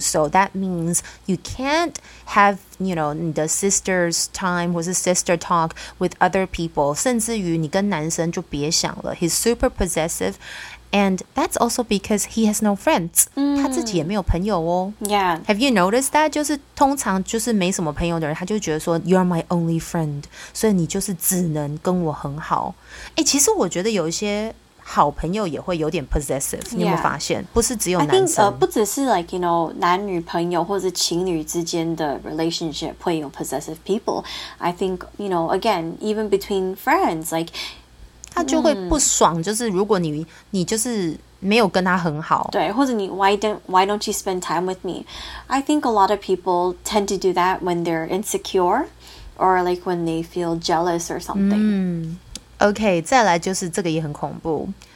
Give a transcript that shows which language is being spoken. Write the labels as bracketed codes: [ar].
[en] So that means you can't have, you know, the sister's time or the sister talk with other people. [zh] 甚至于你跟男生就别想了。 [en] He's super possessive, and that's also because he has no friends.、 Mm. [zh] 他自己也没有朋友哦。 [en] Yeah. Have you noticed that? [zh] 就是通常就是没什么朋友的人，他就觉得说 [en] you are my only friend. [zh] 所以你就是只能跟我很好。哎，其实我觉得有一些好朋友也会有点 possessive， 你有没有发现？ [en] Yeah. [zh] 不是只有男生， [en] I think, [zh] 不只是 [en] like you know [zh] 男女朋友或者情侣之间的 relationship 会有 possessive people。 [en] I think you know again even between friends like [zh] 他就会不爽，就是如果你就是没有跟他很好，对，或者你 [en] why don't you spend time with me？ I think a lot of people tend to do that when they're insecure or like when they feel jealous or something。 [zh] OK， 再来就是这个也很恐怖。